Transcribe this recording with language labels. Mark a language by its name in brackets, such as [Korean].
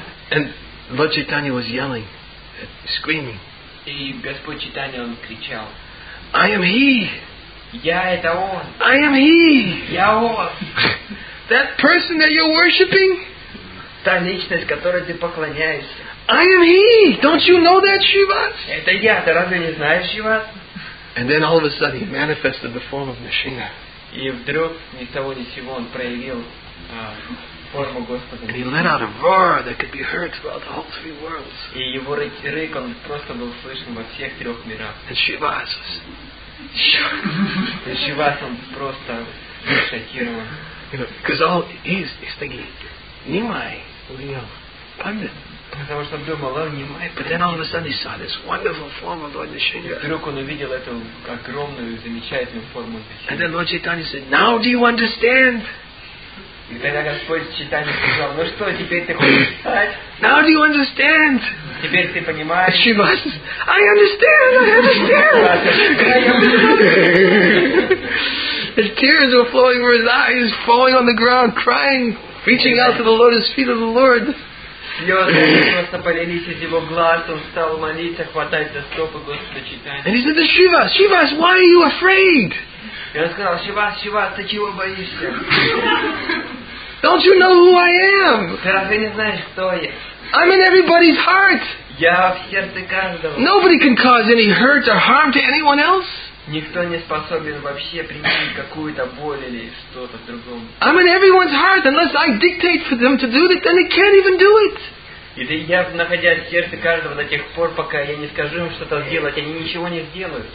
[English] And Lord Chaitanya was yelling, screaming. [Russian] И Господь Читания, он кричал, [English] I am he. [Russian] Я это он. [English] I am he. [Russian] Я он. [English] That person that you're worshipping? [Russian] Та личность, которой ты поклоняешься. [English] I am he. Don't you know that, Shivas? [Russian] Это я. Ты разве не знаешь, Shivas? [English] And then all of a sudden he manifested the form of Nrisimha. [Russian] И вдруг ни с того ни с сего он проявил. [English] And he let out a roar that could be heard throughout the whole three worlds. [Russian] И его рык он просто был слышен во всех трех мирах. [English] And Shivas was shocked. [Russian] Shivas он просто шокирован. [English] Because all he's thinking, Nimai, Liam, Pandit. [Russian] Потому что он думал, он Nimai. [English] But then all of a sudden he saw this wonderful form of Lord Nrisimha. [Russian] Вдруг он увидел эту огромную замечательную форму Нрисимхи. [English] And then Lord Chaitanya said, Now do you understand? [Russian] И тогда Господь Читание сказал, ну что, теперь ты хочешь стать? [English] Now do you understand? [Russian] Теперь ты понимаешь. [English] Shivas, I understand, I understand. His tears were flowing over his eyes, falling on the ground, crying, reaching out to the lotus feet of the Lord. [Russian] Просто полились из его глаз, он стал молиться, хватать за стопы Господа Читания. [English] And he said to Shivas, Shivas, why are you afraid? [Russian] И он сказал, Шивас, Шивас, ты чего боишься? [English] Don't you know who I am? [Russian] Ты разве не знаешь, кто я? [English] I'm in everybody's heart. [Russian] Я в сердце каждого. [English] Nobody can cause any hurt or harm to anyone else. [Russian] Никто не способен вообще причинить какую-то боль или что-то другому. [English] I'm in everyone's heart. Unless I dictate for them to do it, then they can't even do it. [Russian] И я находясь в сердце каждого до тех пор, пока я не скажу им что-то сделать, они ничего не сделают.